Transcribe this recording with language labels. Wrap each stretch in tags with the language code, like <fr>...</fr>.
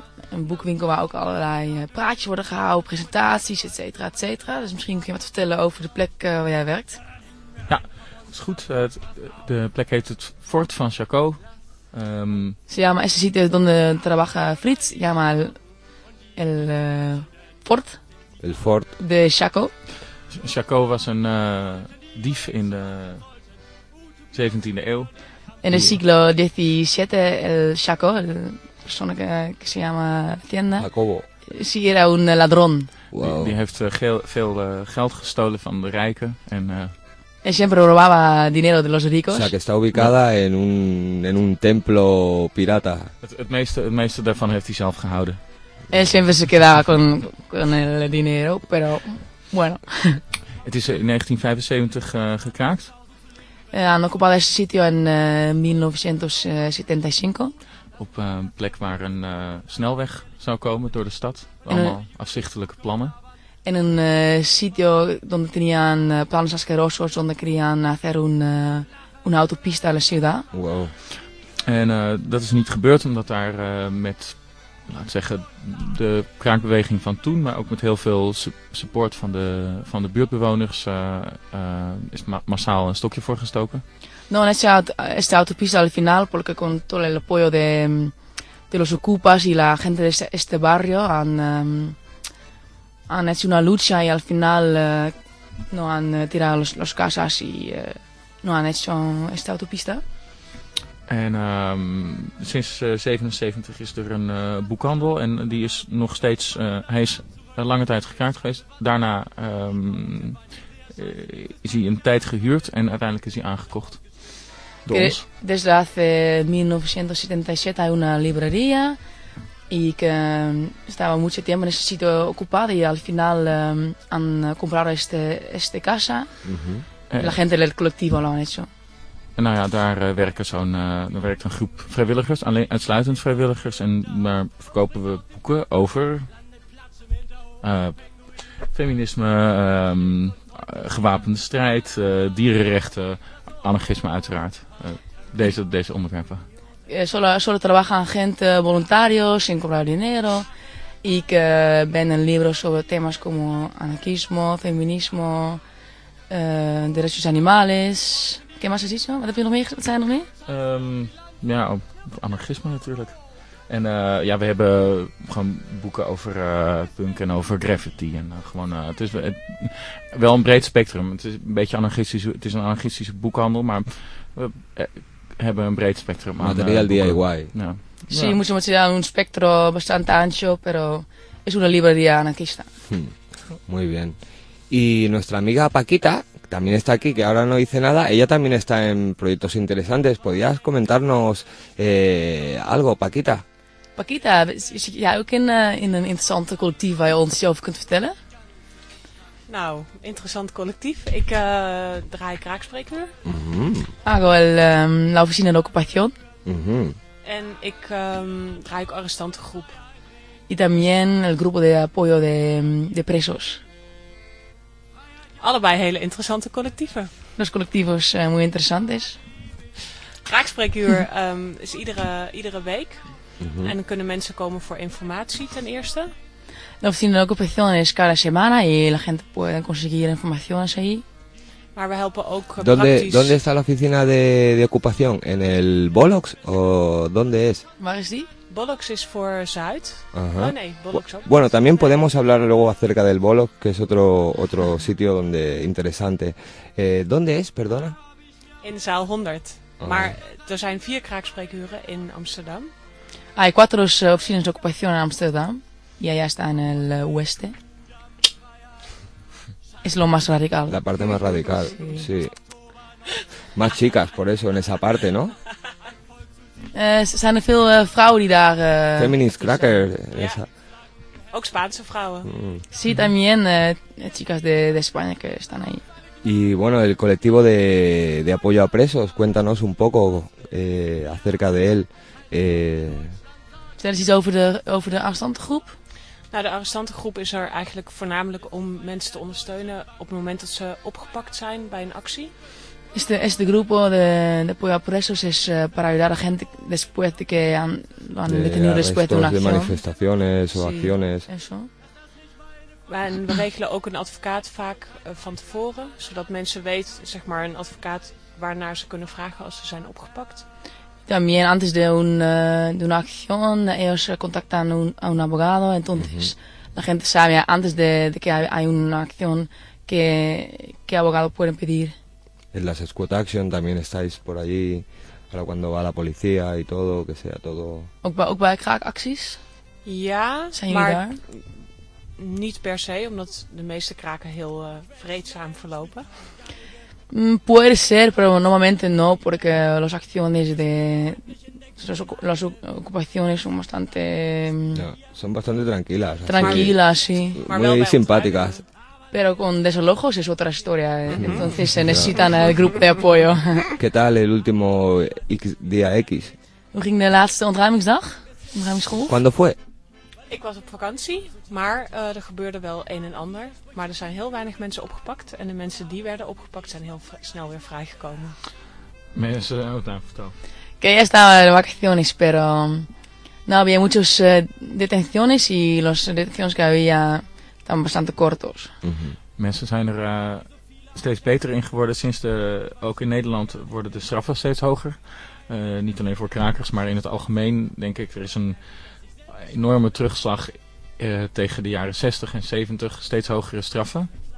<nl>Een boekwinkel waar ook allerlei praatjes worden gehouden, presentaties, et cetera, et cetera. Dus misschien kun je wat vertellen over de plek waar jij werkt. Ja, dat is goed. De plek heet het Fort van Chaco.</nl> <es>Se llama ese sitio donde trabaja Fritz, llama el Fort. El fort. De Chaco.</es> <nl>Chaco was een dief in de 17e eeuw. In het</nl> <es>siglo XVII, el Chaco, el persona que se llama Tienda. Jacobo. Sí, era un ladrón. Wow.</es> <nl>Die heeft veel geld gestolen van de rijken en...</nl> <es>Siempre robaba dinero de los ricos. O sea, que está ubicada en un templo pirata.</es> <nl>Het meeste daarvan heeft hij zelf gehouden.</nl> <es>Él siempre se quedaba con el dinero, pero bueno.</es> <nl>Het is in 1975 gekraakt.</nl> <es>Han ocupado este sitio en 1975.</es> <nl>Op een plek waar een snelweg zou komen door de stad. Allemaal afzichtelijke plannen.</nl> <es>En un sitio donde tenían planos asquerosos, donde querían hacer una autopista a la ciudad. Wow.</es> <nl>En dat is niet gebeurd omdat daar met, laat ik zeggen, de kraakbeweging van toen, maar ook met heel veel support van de buurtbewoners, is massaal een stokje voor gestoken.</nl> <es>No, en esta autopista al final, porque con todo el apoyo de los ocupas y la gente de este barrio han... Han hecho una lucha y al final no han tirado los casas y no han hecho esta autopista.</es> <nl>En sinds 1977 is er een boekhandel en die is nog steeds, hij is een lange tijd gekraakt geweest. Daarna is hij een tijd gehuurd en uiteindelijk is hij aangekocht door ons.</nl> <es>Desde hace 1977 hay una librería. Y que estaba mucho tiempo en ese sitio ocupado y al final han comprado este casa. Uh-huh. La gente del colectivo lo han hecho.</es> <nl>Nou ja, daar werkt een groep vrijwilligers, alleen uitsluitend vrijwilligers. En daar verkopen we boeken over feminisme, gewapende strijd, dierenrechten, anarchisme uiteraard. Deze onderwerpen.</nl> <es>Solo trabajan gente voluntarios sin cobrar dinero y que venden libros sobre temas como anarquismo, feminismo, derechos animales. ¿Qué más has dicho? ¿Qué hay más?</es> <nl>Ja, anarchisme natuurlijk. En ja, we hebben gewoon boeken over punk en over graffiti. En, gewoon, het is wel een breed spectrum. Het is een beetje anarchistisch. Het is een anarchistische boekhandel, maar... hebben een breed spectrum aan materiaal DIY. Ja.</nl> <es>Sí, mucho material, un espectro bastante ancho, pero es una librería anarquista. Muy bien. Y nuestra amiga Paquita también está aquí, que ahora no dice nada. Ella también está en proyectos interesantes. ¿Podrías comentarnos algo, Paquita?</es> <nl>Paquita, ¿es ya ook in een interessante collectief waar je ons over kunt vertellen? Nou, interessant collectief. Ik draai kraakspreek nu.</nl> <es>Mm-hmm. Hago la oficina de ocupación. Mm-hmm.</es> <nl>En ik draai ook arrestantengroep.</nl> <es>Y también el grupo de apoyo de presos.</es> <nl>Allebei hele interessante collectieven.</nl> <es>Los colectivos muy interesantes.</es> <nl>Kraakspreekuur is iedere week. Mm-hmm. En dan kunnen mensen komen voor informatie ten eerste.</nl> <es>La oficina de ocupación es cada semana y la gente puede conseguir información ahí.</es> <nl>Maar we helpen ook</nl> <es>¿Dónde está la oficina de ocupación? ¿En el Bolox o dónde es?</es> <nl>¿Waar es die?</nl> <es>Bolox es por Zuid. Ajá.</es> <nl>Oh, nee, Bolox ook.</nl> <es>Bueno, también podemos hablar luego acerca del Bolox, que es otro sitio donde interesante. ¿Dónde es, perdona?</es> <nl>En zaal 100. Oh. Maar er zijn 4 kraakspreekuren in Amsterdam.</nl> <es>Hay 4 oficinas de ocupación en Amsterdam. Y allá está en el oeste. Es lo más radical. La parte más radical, sí. Más chicas, por eso, en esa parte, ¿no?</es> <nl>Zijn er veel vrouwen die daar...</nl> <en>Feminist cracker. Ja. Esa.</en> <nl>Ook Spaanse vrouwen. Mm.</nl> <es>Sí, también chicas de España que están ahí. Y bueno, el colectivo de apoyo a presos, cuéntanos un poco acerca de él.</es> <nl>Vertel eens iets over de arrestantengroep. Nou, de arrestantengroep is er eigenlijk voornamelijk om mensen te ondersteunen op het moment dat ze opgepakt zijn bij een actie.</nl> <es>Este grupo de apoyo a presos es para ayudar a gente después de que han detenido después de una acción. De manifestaciones o sí, acciones. Eso.</es> <nl>En we regelen ook een advocaat vaak van tevoren, zodat mensen weten, zeg maar, een advocaat waarnaar ze kunnen vragen als ze zijn opgepakt.</nl> <es>También antes de una acción ellos contactan a un abogado, entonces uh-huh. la gente sabe antes de que hay una acción qué abogado pueden pedir. En las Squad Action también estáis por allí para cuando va la policía y todo, que sea todo.</es> <nl>Ook bij kraakacties? Ja, zijn jullie daar? Niet per se, omdat de meeste kraken heel vreedzaam verlopen.</nl> <es>Puede ser, pero normalmente no, porque las acciones de las ocupaciones son bastante tranquilas. Tranquilas, sí. Muy simpáticas. Pero con desalojos es otra historia, ¿eh? Uh-huh. Entonces se necesitan el grupo de apoyo. ¿Qué tal el último día X?</es> <nl>¿Hoe ging de laatste ontruimingsdag? Ontruimingsgolf?</nl> <es>¿Cuándo fue?</es> <nl>Ik was op vakantie, maar er gebeurde wel een en ander. Maar er zijn heel weinig mensen opgepakt. En de mensen die werden opgepakt zijn heel snel weer vrijgekomen. Mensen hebben ook daar verteld.</nl> <es>Que ya estaba de vacaciones, pero no había muchas detenciones. Y las detenciones que había están bastante cortos. Mm-hmm.</es> <nl>Mensen zijn er steeds beter in geworden. Sinds ook in Nederland worden de straffen steeds hoger. Niet alleen voor krakers, maar in het algemeen denk ik, er is een enorme terugslag tegen de jaren 60 en 70, steeds hogere straffen.</nl>